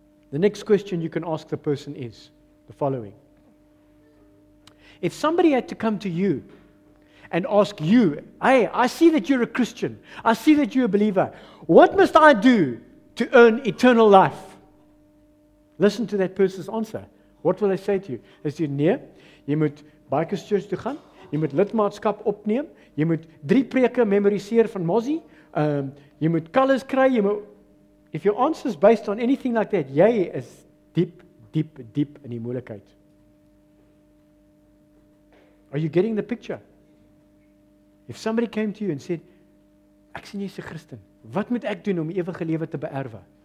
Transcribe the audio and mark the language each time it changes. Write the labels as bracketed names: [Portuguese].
[English] The next question you can ask the person is the following. If somebody had to come to you and ask you, hey, I see that you're a Christian. I see that you're a believer. What must I do to earn eternal life? Listen to that person's answer. What will they say to you? They say, [Afrikaans] nee, jy moet Bikers Church toe gaan, jy moet lidmaatskap opneem, jy moet 3 preke memoriseer van Mozzie, jy moet colors kry, jy moet... [English] If your answer is based on anything like that, [Afrikaans] jy is diep, diep, diep in die moeilikheid. [English] Are you getting the picture? If somebody came to you and said, [Afrikaans] ek sien jy's 'n Christen, wat moet ek doen om ewige lewe te beerwe?